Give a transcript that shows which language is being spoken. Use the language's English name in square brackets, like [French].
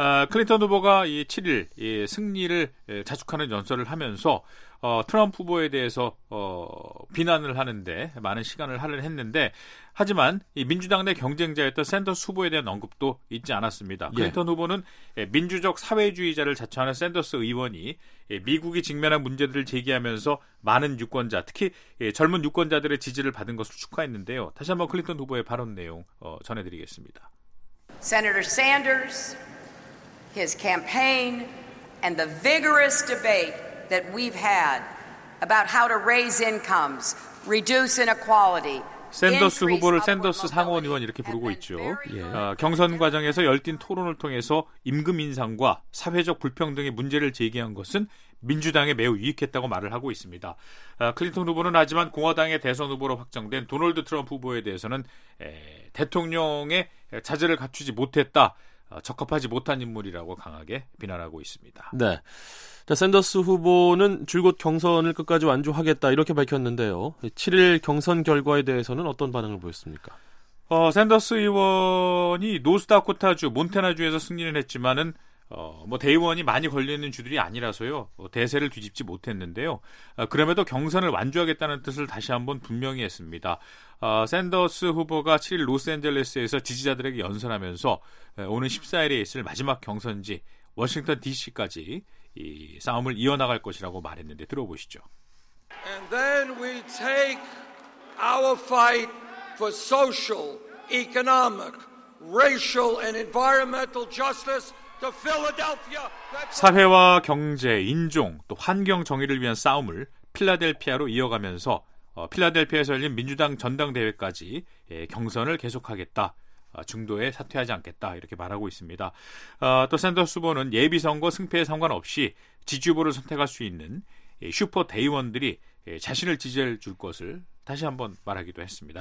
[Korean] 클린턴 후보가 이 7일 이 승리를 자축하는 연설을 하면서 트럼프 후보에 대해서 비난을 하는데 많은 시간을 할애했는데 하지만 이 민주당 내 경쟁자였던 샌더스 후보에 대한 언급도 잊지 않았습니다. 클린턴 예. 후보는 민주적 사회주의자를 자처하는 샌더스 의원이 미국이 직면한 문제들을 제기하면서 많은 유권자, 특히 젊은 유권자들의 지지를 받은 것을 축하했는데요. 다시 한번 클린턴 후보의 발언 내용 전해드리겠습니다. [English] Senator Sanders, his campaign, and the vigorous debate that we've had about how to raise incomes, reduce inequality, [Korean] 샌더스 후보를 샌더스 상원의원 이렇게 부르고 있죠. 예. 경선 과정에서 열띤 토론을 통해서 임금 인상과 사회적 불평등의 문제를 제기한 것은 민주당에 매우 유익했다고 말을 하고 있습니다. 클린턴 후보는 하지만 공화당의 대선 후보로 확정된 도널드 트럼프 후보에 대해서는 대통령의 자제를 갖추지 못했다. 적합하지 못한 인물이라고 강하게 비난하고 있습니다. 네. 자, 샌더스 후보는 줄곧 경선을 끝까지 완주하겠다 이렇게 밝혔는데요. 7일 경선 결과에 대해서는 어떤 반응을 보였습니까? 샌더스 의원이 노스다코타주, 몬태나주에서 승리는 했지만은 대의원이 많이 걸려있는 주들이 아니라서요. 대세를 뒤집지 못했는데요. 그럼에도 경선을 완주하겠다는 뜻을 다시 한번 분명히 했습니다. 샌더스 후보가 7일 로스앤젤레스에서 지지자들에게 연설하면서 오는 14일에 있을 마지막 경선지 워싱턴 DC까지 이 싸움을 이어나갈 것이라고 말했는데 들어보시죠. [English] And then we'll take our fight for social, economic, racial and environmental justice to Philadelphia. [Korean] 사회와 경제, 인종, 또 환경 정의를 위한 싸움을 필라델피아로 이어가면서 필라델피아에서 열린 민주당 전당대회까지 경선을 계속하겠다. 중도에 사퇴하지 않겠다 이렇게 말하고 있습니다. 또 샌더스 후보는 예비선거 승패에 상관없이 지지 후보를 선택할 수 있는 슈퍼 대의원들이 자신을 지지해 줄 것을 다시 한번 말하기도 했습니다.